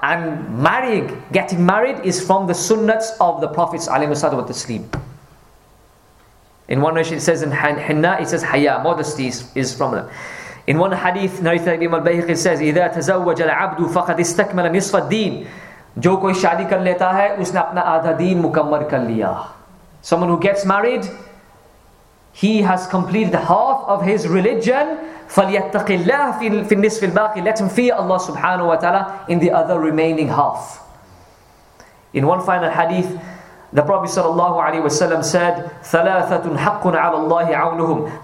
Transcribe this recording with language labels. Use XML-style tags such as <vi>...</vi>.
<en>And marrying, getting married, is from the sunnats of the Prophets</en> <ar>عَلَيْهِ وَسَلَّمُ وَتَسْلِيمُ.</ar> <en>In one nation it says in Hinna, it says Haya, modesty is from them. In one hadith, narrated by Imam al-Bayhaqi, it says,</en> <ar>إِذَا تَزَوَّجَ الْعَبْدُ فَقَدْ إِسْتَكْمَلَ نِصْفَ الدِّينِ.</ar> <ur>جو کوئی شادی کر لیتا ہے, اس نے اپنا آدھا دین مکمل کر لیا.</ur> <en>Someone who gets married, he has completed half of his religion.</en> <ar>فَلْيَتَّقِ اللَّهَ فِي النِّصْفِ الْبَاقِي.</ar> <en>Let him fear Allah subhanahu wa ta'ala in the other remaining half. In one final hadith, the Prophet sallallahu alayhi wasallam said,</en> <ar>ثَلَاثَةٌ حَقٌ عَلَى اللَّهِ عَوْنُهُمْ.</ar>